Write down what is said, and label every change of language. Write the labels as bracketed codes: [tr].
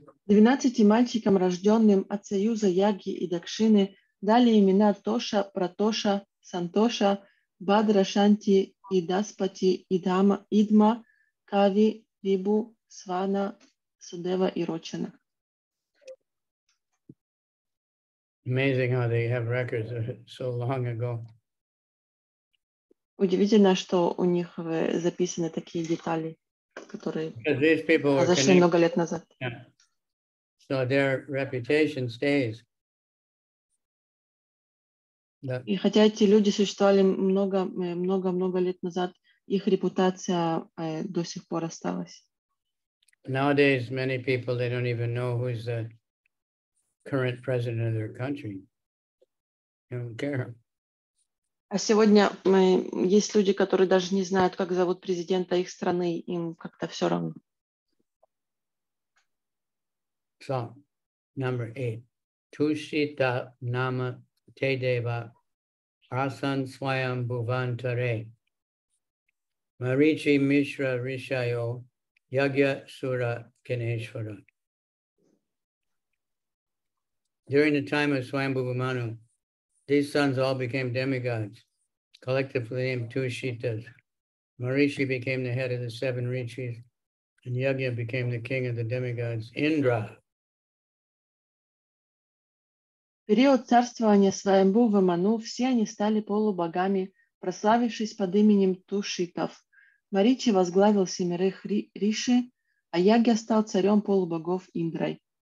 [ru] 12 мальчикам, рожденным от союза Яги и Дакшины, дали имена Тоша, Пратоша, Сантоша, Бадра, Шанти, Идаспати, Идама, Идма, Кави, Вибу, Свана, Судева и Рочана. [en] Amazing how they have records so long ago. [ru] Удивительно, что у них записаны такие детали, которые произошли много лет назад. [en] Yeah. So their reputation stays. Yeah. [ru] И хотя эти люди существовали много лет назад, их репутация до сих пор осталась. [en] Nowadays many people, they don't even know who's the current president of their country. They don't care. [ru] А сегодня есть люди, которые даже не знают, как зовут президента их страны, им как-то все равно. [en] So, number 8. [sa] Тушита нама те дева Asan Swayam Bhuvantare Marichi Mishra Rishayo Yagya Sura Kineshvara. [en] During the time of Swayambhuva Manu, these sons all became demigods, collectively named Tushitas. Marichi became the head of the seven rishis, and Yagya became the king of the demigods, Indra. [ru] период царствования Свамбху в Ману все они стали полубогами, прославившись под именем тушитов. Маричи возглавил семерых риши, а Ягья стал царем полубогов Индрой.